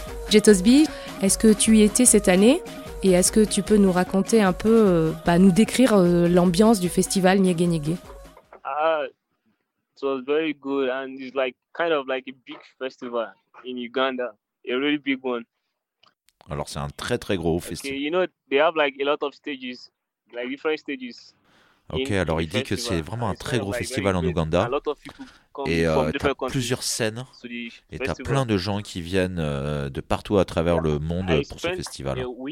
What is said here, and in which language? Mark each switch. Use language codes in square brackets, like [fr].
[fr] Jetosby, est-ce que tu y étais cette année et est-ce que tu peux nous raconter un peu, nous décrire l'ambiance du festival Niégué Niégué? [en] It was very good and it's like kind of like a big festival in Uganda, a really big one. [fr] Alors c'est un très très gros festival. [en] Okay, you know they have like a lot of stages, like different stages. [fr] Ok, alors il dit que c'est vraiment un très gros festival en Ouganda et t'as plusieurs scènes et t'as plein de gens qui viennent de partout à travers le monde pour ce festival.